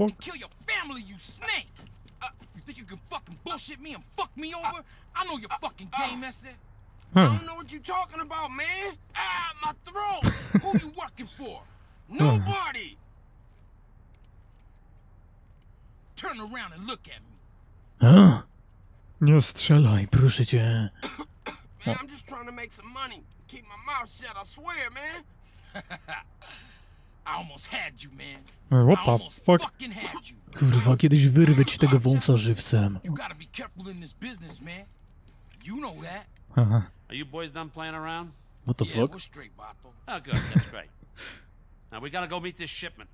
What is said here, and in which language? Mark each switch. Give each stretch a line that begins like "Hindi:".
English: And kill your family, you snake. You think you can fucking bullshit me and fuck me over? I know your fucking game, Messi. I don't know what you're talking about, man. Ah, my throat. Who you working for? Nobody. Turn around and look at me. Huh?
Polish: Nie strzelaj, proszę cię.
English: Man, I'm just trying to make some money. Keep my mouth shut, I swear, man. I almost had you, man. Whoopa, fuck. Fucking had you.
Polish: Kurwa, kiedyś wyrwę ci tego wąsa żywcem.
English: You gotta be careful in this business, man. You know that. Uh-huh. Are you boys done playing around? What the fuck? Yeah, we're straight, Bato. Oh, good, that's great. Now, we gotta go meet this shipment.